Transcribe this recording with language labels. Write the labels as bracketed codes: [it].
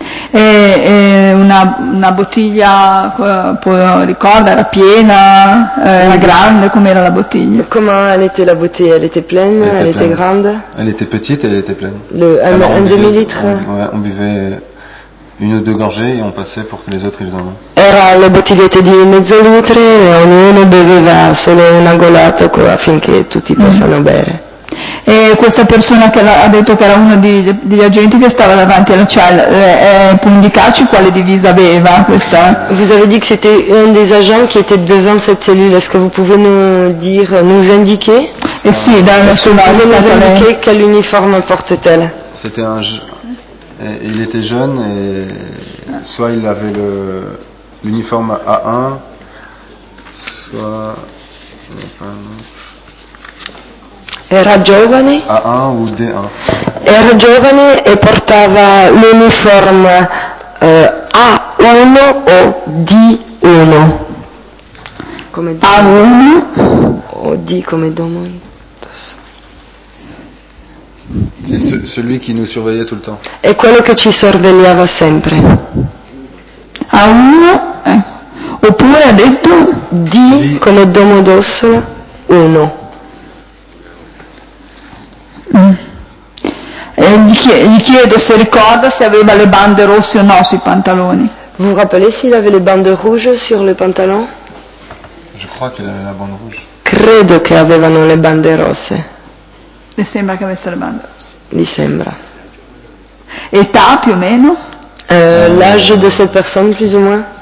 [it] E una bottiglia, ricorda, era piena, era grande, com'era la bottiglia? Come era la bottiglia? [fr] Elle était pleine, elle était grande? Elle était petite, elle était pleine. Un demi-litre? On buvait une ou deux gorgées et on passait pour que les autres ils en avaient. [it] Era la bottiglietta di mezzo litro e ognuno beveva solo una golata affinché tutti possano bere. E questa persona che ha detto che era uno degli agenti che stava davanti alla cella, può indicarci quale divisa aveva questa? [fr] Vous avez dit que c'était un des agents qui était devant cette cellule. Est-ce que vous pouvez nous indiquer? [it] Eh sì, [fr] nous indiquer quel uniforme porte-t-elle? C'était un il était jeune et soit il avait l'uniforme A1 soit [it] era giovane. A1 o D1. Era giovane e portava l'uniforme A1 o D1. Come A1 o D come domanda. [fr] C'est celui qui nous surveillait tout le temps. [it] È quello che ci sorvegliava sempre. A1 oppure ha detto di come domodossola 1. E gli chiedo se ricorda se aveva le bande rosse o no sui pantaloni. [fr] Vous rappelez s'il avait les bandes rouges sur le pantalon? Je crois qu'il avait la bande rouge. [it] Credo che avevano le bande rosse. Le sembra che avesse le bande rosse. Gli sembra. Età più o meno? [fr] L'âge de cette personne plus ou moins?